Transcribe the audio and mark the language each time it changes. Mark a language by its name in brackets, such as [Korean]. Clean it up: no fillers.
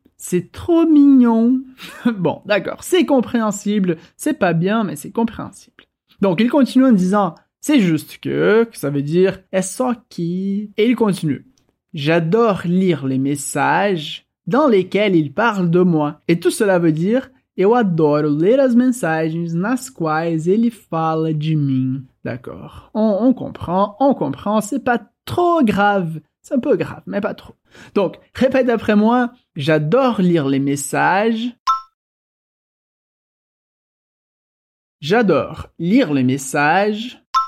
[French] C'est trop mignon. Bon, d'accord, c'est compréhensible. C'est pas bien, mais c'est compréhensible. Donc, il continue en disant, c'est juste que ça veut dire, est-ce ça qui... Et il continue, j'adore lire les messages... dans lesquels il parle de moi. Et tout cela veut dire [Portuguese] « Eu adoro ler as mensagens nas quais ele fala de mim. » [French] D'accord. On comprend, c'est pas trop grave. C'est un peu grave, mais pas trop. Donc, répète après moi, « J'adore lire les messages. » J'adore lire les messages.